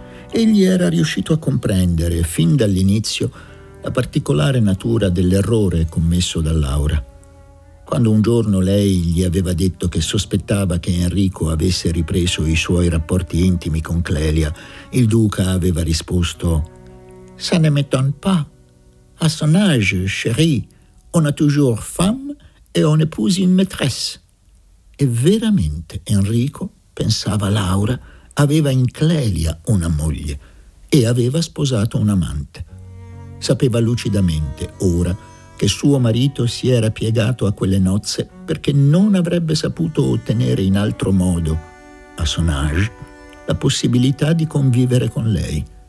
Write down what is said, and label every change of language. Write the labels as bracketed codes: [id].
[it] Egli era riuscito a comprendere, fin dall'inizio, la particolare natura dell'errore commesso da Laura. Quando un giorno lei gli aveva detto che sospettava che Enrico avesse ripreso i suoi rapporti intimi con Clelia, il duca aveva risposto: [fr] «Ça ne m'étonne pas. À son âge, chérie, on a toujours femme et on épouse une maîtresse». [it] E veramente Enrico, pensava Laura, aveva in Clelia una moglie e aveva sposato un amante. Sapeva lucidamente ora che suo marito si era piegato a quelle nozze perché non avrebbe saputo ottenere in altro modo, [fr] a son âge, [it] la possibilità di convivere con lei.